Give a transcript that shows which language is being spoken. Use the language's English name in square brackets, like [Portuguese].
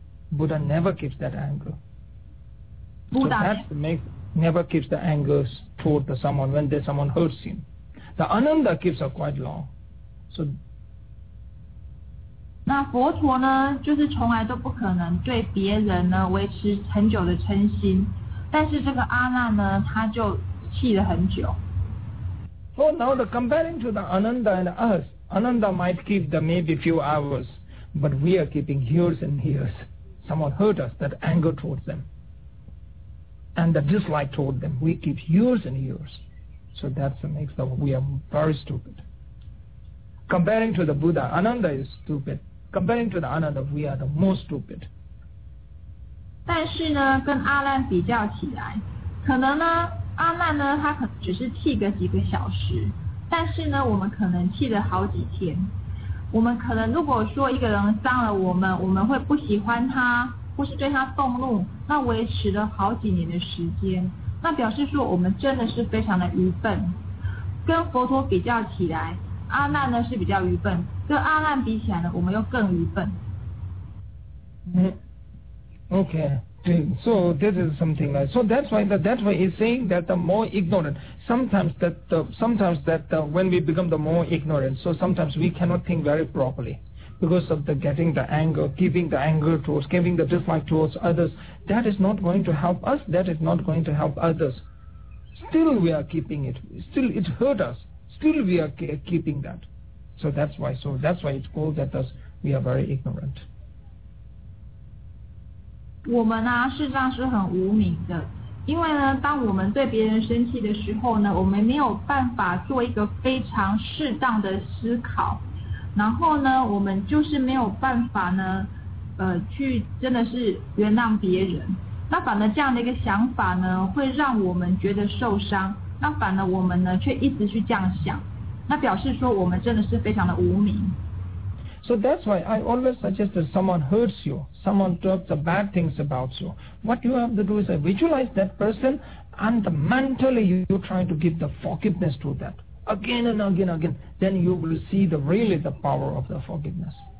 [English] Buddha never keeps that anger. Buddha. So that's never keeps the anger toward the someone when someone hurts him. The Ananda keeps it quite long. So. [Chinese] 那佛陀呢，就是从来都不可能对别人呢维持很久的嗔心，但是这个阿难呢，他就气了很久。 [English] So now the comparing to the Ananda and us, Ananda might keep the maybe few hours, but we are keeping years and years. Someone hurt us, that anger towards them, and the dislike toward them, we keep years and years. So that makes that we are very stupid. Comparing to the Buddha, Ananda is stupid. Comparing to the Ananda, we are the most stupid. [Chinese] 但是呢，跟阿难比较起来，可能呢，阿难呢，他可能只是气个几个小时，但是呢，我们可能气了好几天。我们可能如果说一个人伤了我们，我们会不喜欢他，或是对他动怒，那维持了好几年的时间，那表示说我们真的是非常的愚笨。跟佛陀比较起来，阿难呢是比较愚笨，跟阿难比起来呢，我们又更愚笨。 [English] Okay. So this is something like, so that's why he's saying that the more ignorant, sometimes when we become the more ignorant, so sometimes we cannot think very properly because of the getting the anger, keeping the anger towards, giving the dislike towards others. That is not going to help us. That is not going to help others. Still we are keeping it. Still it hurt us. Still we are keeping that. So that's why it's called that us, we are very ignorant. [Chinese] 我们呢，事实上是很无明的，因为呢，当我们对别人生气的时候呢，我们没有办法做一个非常适当的思考，然后呢，我们就是没有办法呢，去真的是原谅别人。那反而这样的一个想法呢，会让我们觉得受伤。那反而我们呢，却一直去这样想，那表示说我们真的是非常的无明。 [English] So that's why I always suggest that someone hurts you, someone talks the bad things about you. What you have to do is visualize that person and mentally you try to give the forgiveness to that. Again and again and again, then you will see the really the power of the forgiveness.